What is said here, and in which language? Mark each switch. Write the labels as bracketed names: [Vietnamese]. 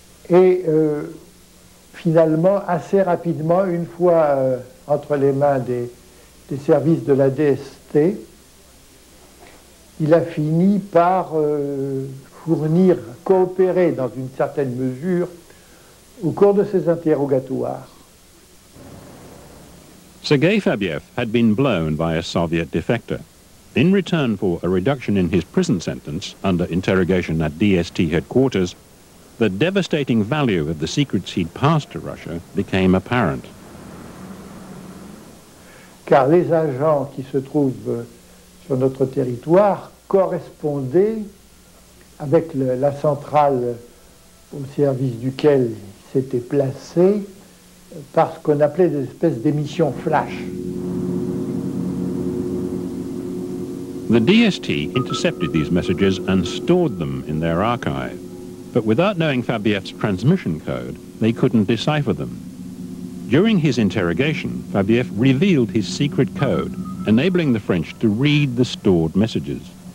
[French] Et finalement, assez rapidement, une fois entre les mains des services de la DST, il a fini par fournir, coopérer dans une certaine mesure au cours de ses interrogatoires. [English] Sergei Fabiev had been blown by a Soviet defector. In return for a reduction in his prison sentence under interrogation at DST headquarters, the devastating value of the secrets he'd passed to Russia became apparent. [French] Car les agents qui se trouvent sur notre territoire correspondait avec la centrale au service duquel s'était placé par ce qu'on appelait des espèces d'émissions flash. [English] The DST intercepted these messages and stored them in their archive. But without knowing Fabiev's transmission code, they couldn't decipher them. During his interrogation, Fabiev revealed his secret code, enabling the French to read the stored messages.